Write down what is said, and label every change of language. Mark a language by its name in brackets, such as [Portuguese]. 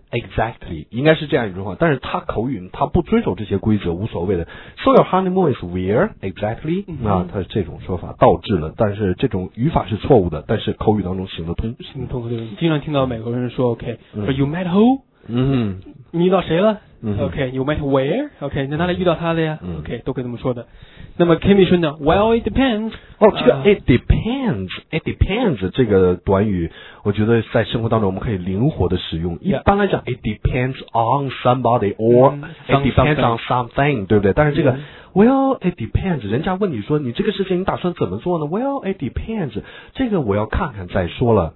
[English] Exactly， [Chinese] 应该是这样一种话，但是他口语他不遵守这些规则无所谓的。 [English] So your honeymoon is where exactly？ [Chinese] 那、他这种说法倒置了，但是这种语法是错误的，但是口语当中行得通。行得通，对，经常听到美国人说 ，OK， [English] but you met who？ [Chinese] 你遇到谁了、？OK， [English] you met where？ [Chinese] OK， 你在哪里遇到他的呀、？OK， 都可以这么说的。那么 Kimmy 说呢 ？ [English] Well, it depends。 [Chinese] 哦，这个 [English] it depends， it depends [Chinese] 这个短语，我觉得在生活当中我们可以灵活的使用。 [English] Yeah. [Chinese] 一般来讲 ， [English] it depends on somebody or、it depends on something， [Chinese] 对不对？但是这个、 [English] well, it depends， [Chinese] 人家问你说你这个事情你打算怎么做呢 ？Well, it depends， 这个我要看看再说了。